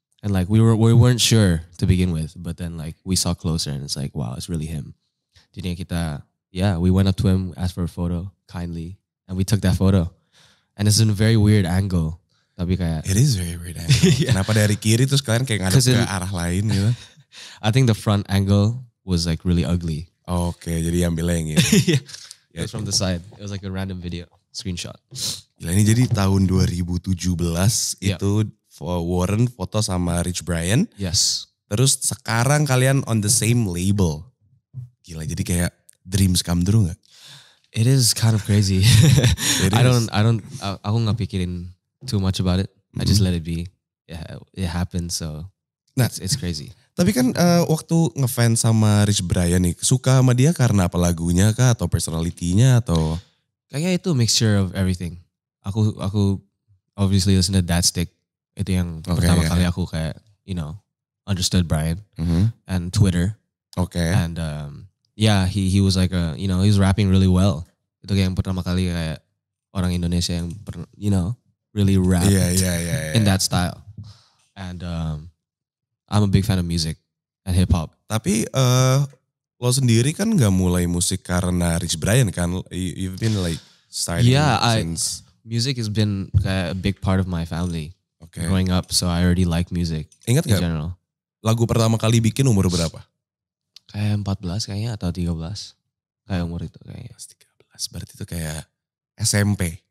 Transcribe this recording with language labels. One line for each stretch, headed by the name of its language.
English: And like we weren't sure to begin with, but then like we saw closer and it's like, wow, it's really him.
Indonesian: Jadi kita,
English: yeah, we went up to him, asked for a photo, kindly, and we took that photo. And it's in a very weird angle.
Indonesian: Tapi kayak
English: it is very weird angle.
Indonesian: Yeah. Kenapa dari kiri terus kalian kayak ngadep ke arah lain gitu?
English: I think the front angle was like really ugly.
Indonesian: Oke, okay, jadi ambil yang ini.
English: Yeah. Yeah. It was from the side. It was like a random video screenshot.
Indonesian: Gila, ini jadi tahun 2017 itu Warren foto sama Rich Brian.
English: Yes.
Indonesian: Terus sekarang kalian
English: on the same label.
Indonesian: Gila, jadi kayak
English: dreams come true
Indonesian: enggak?
English: It is kind of crazy.
Indonesian: aku enggak pikirin
English: too much about it. Mm-hmm. I just let it be. Yeah, it happened, so nah, it's crazy.
Indonesian: Tapi kan waktu ngefans sama Rich Brian nih, suka sama dia karena apa, lagunya kah atau personality-nya atau kayaknya itu
English: mixture of everything. Aku obviously listen to That Stick.
Indonesian: Itu yang pertama kali aku kayak,
English: you know, understood
Indonesian: Brian. Mm-hmm.
English: And Twitter. Okay. And yeah, he was like a, you know, he was rapping really well.
Indonesian: Itu yang pertama kali kayak orang Indonesia yang
English: you know, really rap yeah. in that style. And I'm a big fan of music and hip hop.
Indonesian: Tapi lo sendiri kan enggak mulai musik karena Rich Brian kan?
English: You've been like starting since music has been a big part of my family. Okay. Growing up, so I already like music.
Indonesian: Ingat
English: in general.
Indonesian: Lagu pertama kali bikin umur berapa? Kayak 14 kayaknya atau 13. Kayak umur itu kayaknya 13. Berarti itu kayak SMP.